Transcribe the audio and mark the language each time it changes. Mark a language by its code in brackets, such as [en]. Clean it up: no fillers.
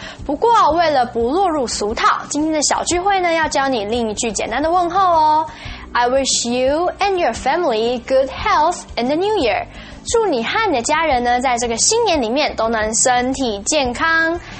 [zh] 不过为了不落入俗套，今天的小聚会呢，要教你另一句简单的问候哦。 [en] I wish you and your family good health in the new year. [zh] 祝你和你的家人呢，在这个新年里面都能身体健康。